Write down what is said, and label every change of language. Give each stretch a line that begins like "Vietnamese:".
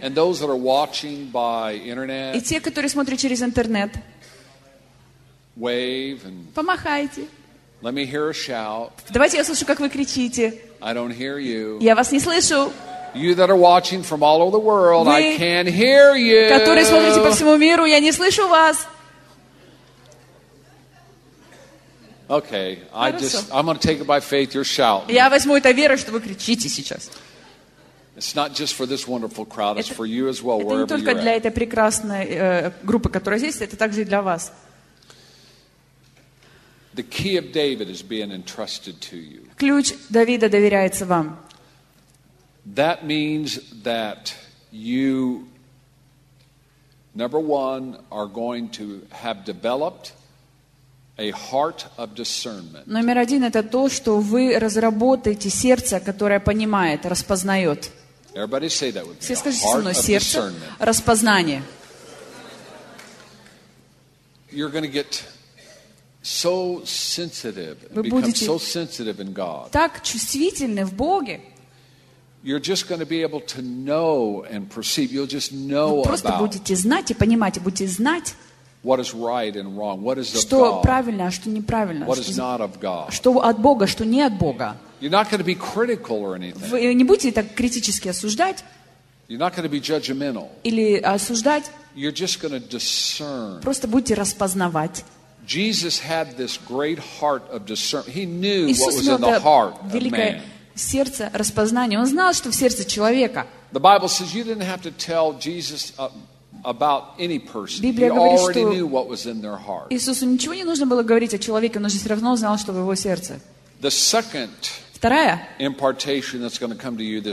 English: And those that are watching by internet,
Russian: и те, которые смотрят через интернет,
English: wave and
Russian: помахайте.
English: Let me hear a shout.
Russian: Давайте я слышу, как вы кричите.
English: I don't hear you.
Russian: Я вас не слышу.
English: You that are watching from all over the world,
Russian: вы,
English: I can't hear you.
Russian: Которые смотрите по всему миру, я не слышу вас.
English: Okay, I'm going to take it by faith. You're shouting.
Russian: Я возьму это верой, что вы кричите сейчас.
English: It's not just for this wonderful crowd. It's for you as well, wherever you are.
Russian: Это не только для этой прекрасной группы, которая здесь, это также и для вас.
English: The key of David is being entrusted to you.
Russian: Ключ Давида доверяется вам.
English: That means that you, number one, are going to have developed a heart of discernment.
Russian: Номер один — это то, что вы разработаете сердце, которое понимает, распознает.
English: Everybody say that with me.
Russian: Все скажите со мной, сердце, распознание.
English: You're going to get so sensitive, become so sensitive in God.
Russian: Так чувствительны в Боге.
English: You're just going to be able to know and perceive. You'll just know about.
Russian: Вы просто будете знать и понимать, и будете знать.
English: What is right and wrong? What is of God?
Russian: Что правильно, а что неправильно?
English: What is not of God?
Russian: Что от Бога, что не от Бога?
English: You're not going to be critical or anything.
Russian: Вы не будете так критически осуждать?
English: You're not going to be judgmental.
Russian: Или осуждать?
English: You're just going to discern.
Russian: Просто будете распознавать.
English: Jesus had this great heart of discernment. He knew what was in the heart of man.
Russian: Великое сердце распознания. Он знал, что в сердце человека.
English: The Bible says you didn't have to tell Jesus about any person. He already knew what was in their heart.
Russian: Иисусу ничего не нужно было говорить о человеке, но он же все равно знал, что в его сердце.
English: The second impartation that's going to come to you this